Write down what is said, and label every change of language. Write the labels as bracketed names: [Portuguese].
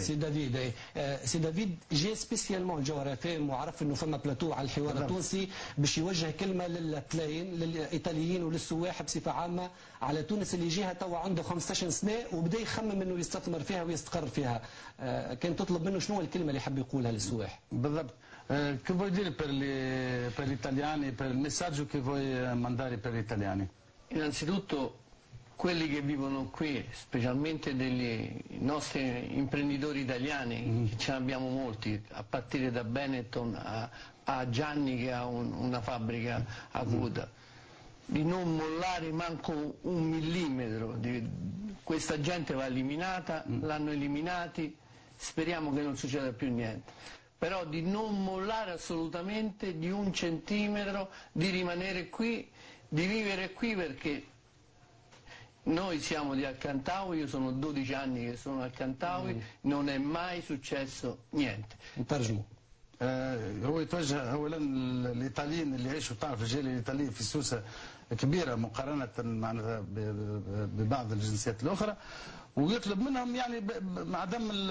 [French] سي دافيد اي سي دافيد جي سبيسيالمون [Arabic] جوهر اف ام وعرف انه فما بلاتو على الحوار التونسي باش يوجه كلمه للتلاين للايطاليين وللسواح بصفه عامه على تونس اللي جهه توا عنده 15 سنه وبدا يخمم انه يستثمر فيها ويستقر فيها. كان تطلب منه شنو الكلمه اللي حاب يقولها للسواح؟ بالضبط. [Italian] Che vuoi dire per gli italiani, per il messaggio che vuoi mandare per gli italiani? Innanzitutto quelli che vivono qui, specialmente dei nostri imprenditori italiani, che ce ne abbiamo molti, a partire da Benetton a Gianni che ha una fabbrica acuta, di non mollare manco un millimetro, questa gente va eliminata, l'hanno eliminati, speriamo che non succeda più niente. Però di non mollare assolutamente di un centimetro, di rimanere qui, di vivere qui, perché noi siamo di Al-Qantawi, io sono 12 anni che sono Al-Qantawi, non è mai successo niente. [Arabic] هو يتوجه اولا للايطاليين اللي يعيشوا تعرف الجاليه الايطاليه في سوسه كبيره مقارنه معناتها ببعض الجنسيات الاخرى ويطلب منهم يعني عدم